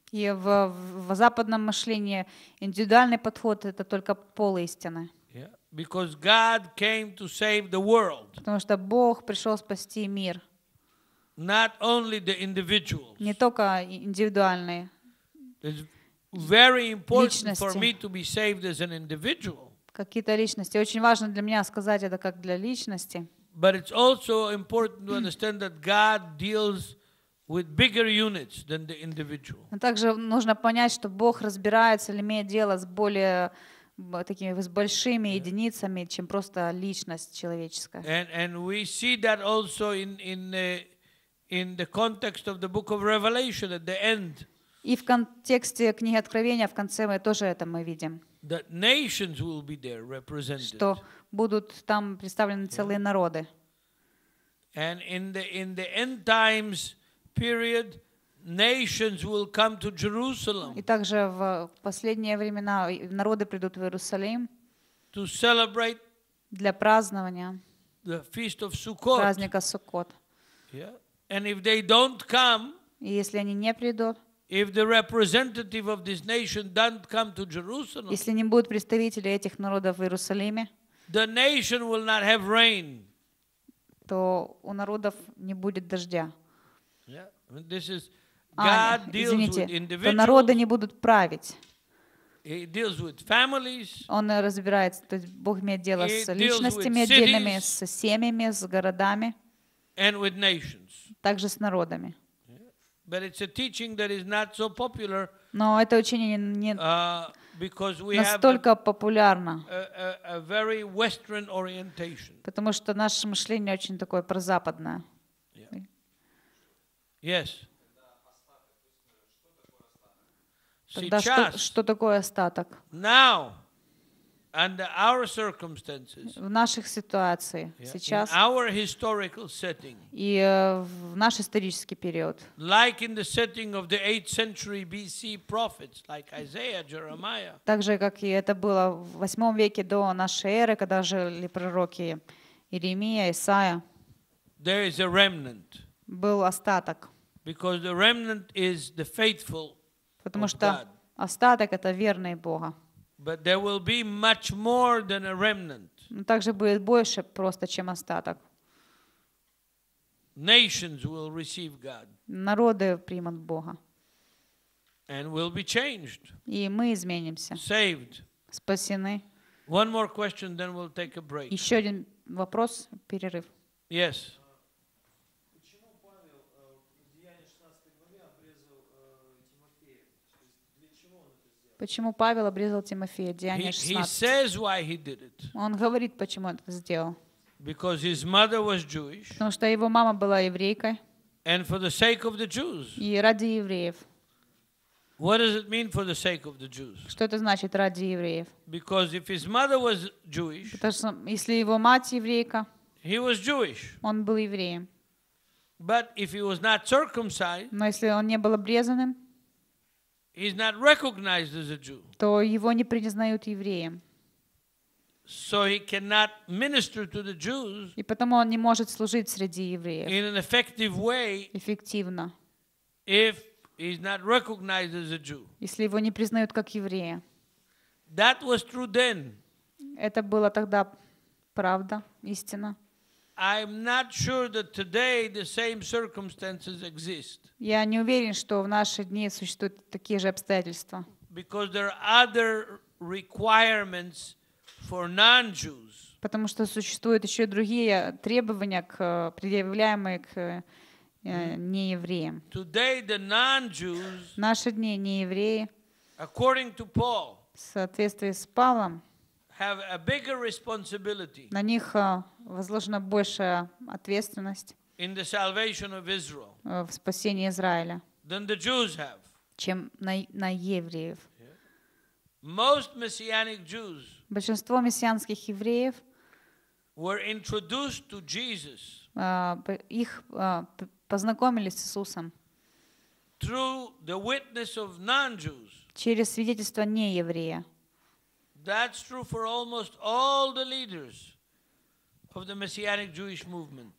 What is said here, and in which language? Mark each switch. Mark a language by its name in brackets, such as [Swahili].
[Russian] И в западном мышлении индивидуальный подход это только полуистина. [English] Because God came to save the world. [Russian] Потому что Бог пришел спасти мир. [English] Not only the individuals. [Russian] Не только индивидуальные. [English] It's very important for me to be saved as an individual. [Russian] Какие-то личности. Очень важно для меня сказать это как для личности. [English] But it's also important to understand that God deals with bigger units than the individual. [Russian] Также нужно понять, что Бог разбирается или имеет дело с более такими с большими единицами, чем просто личность человеческая. [English] And we see that also in the context of the book of Revelation at the end. [Russian] И в контексте книги Откровения в конце мы тоже это мы видим. [English] That nations will be there represented. [Russian] Что будут там представлены целые народы. [English] And in the end times period. Nations will come to Jerusalem. [Russian] И также в последние времена народы придут в Иерусалим. [English] To celebrate. [Russian] Для празднования. [English] The feast of Sukkot. [Russian] Праздника Суккот. [English] Yeah. And if they don't come. [Russian] И если они не придут. [English] If the representative of this nation don't come to Jerusalem. [Russian] Если не будут представители этих народов в Иерусалиме. [English] The nation will not have rain. [Russian] То у народов не будет дождя. [English] Yeah. I mean, this is. God deals [Russian] извините, [English] with individuals. [Russian] То народы не будут править. [English] He deals with families. [Russian] Он разбирается, то есть Бог имеет дело с личностями отдельными, с семьями, с городами. [English] And with nations. [Russian] Также с народами. [English] Yeah. But it's a teaching that is not so popular. [Russian] Но это учение не настолько популярно. [English] A very Western orientation. [Russian] Потому что наше мышление очень такое прозападное. [English] Yeah. Yes. [Russian] Тогда что такое остаток? [English] Now, under our circumstances, [Russian] в наших ситуациях сейчас, [English] in our historical setting, [Russian] и в наш исторический период, [English] like in the setting of the 8th century BC prophets, like Isaiah, Jeremiah, [Russian] так же, как и это было в 8 веке до нашей эры, когда жили пророки Иеремия, Исаия, [English] there is a remnant, [Russian] был остаток, [English] because the remnant is the faithful of God. [Russian] Потому что остаток — это верные Бога. [English] But there will be much more than a remnant. [Russian] Также будет больше просто, чем остаток. [English] Nations will receive God. [Russian] Народы примут Бога. [English] And will be changed. [Russian] И мы изменимся. [English] Saved. [Russian] Спасены. [English] One more question, then we'll take a break. [Russian] Еще один вопрос, перерыв. [English] Yes. [Russian] Почему Павел обрезал Тимофея? Деяния 16. Он говорит, почему он это сделал. [English] Because his mother was Jewish. [Russian] Потому что его мама была еврейкой. [English] And for the sake of the Jews. [Russian] И ради евреев. [English] What does it mean for the sake of the Jews? [Russian] Что это значит ради евреев? [English] Because if his mother was Jewish. [Russian] Потому что если его мать еврейка. [English] He was Jewish. [Russian] Он был евреем. [English] But if he was not circumcised. [Russian] Но если он не был обрезанным. [English] He's not recognized as a Jew. [Russian] То его не признают евреем. [English] So he cannot minister to the Jews. [Russian] И потому он не может служить среди евреев. [English] In an effective way. [Russian] Эффективно. [English] If he's not recognized as a Jew. [Russian] Если его не признают как еврея. [English] That was true then. [Russian] Это было тогда правда, истина. [English] I'm not sure that today the same circumstances exist. [Russian] Я не уверен, что в наши дни существуют такие же обстоятельства. [English] Because there are other requirements for non-Jews. [Russian] Потому что существуют еще другие требования, предъявляемые к неевреям. [English] Today the non-Jews. [Russian] В наши дни неевреи. [English] According to Paul. [Russian] В соответствии с Павлом. [English] Have a bigger responsibility. [Russian] На них возложена большая ответственность. [English] In the salvation of Israel. [Russian] В спасении Израиля. [English] Than the Jews have. [Russian] Чем на евреев. [English] Most messianic Jews. [Russian] Большинство мессианских евреев. [English] Were introduced to Jesus. [Russian] Их познакомились с Иисусом. [English] Through the witness of non-Jews. [Russian] Через свидетельство нееврея. [English] That's true for almost all the leaders of the messianic Jewish movement.